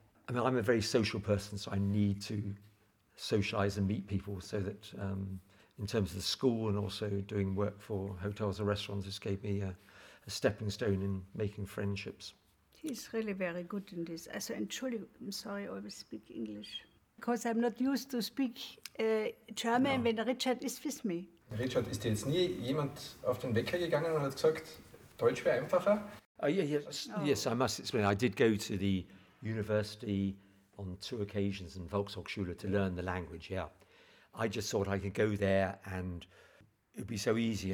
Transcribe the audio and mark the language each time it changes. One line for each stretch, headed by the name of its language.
English: I mean, I'm a very social person, so I need to socialise and meet people so that in terms of the school and also doing work for hotels or restaurants, this gave me a stepping stone in making friendships. He's really very good in this. Also, I'm sorry, I always speak English. Because I'm not used to speak German when Richard is with me.
German: Richard, ist dir jetzt nie jemand auf den Wecker gegangen und hat gesagt, Deutsch wäre einfacher?
English: Yes, I must explain. I did go to the university on two occasions in Volkshochschule to learn the language, I just thought I could go there and it would be so easy.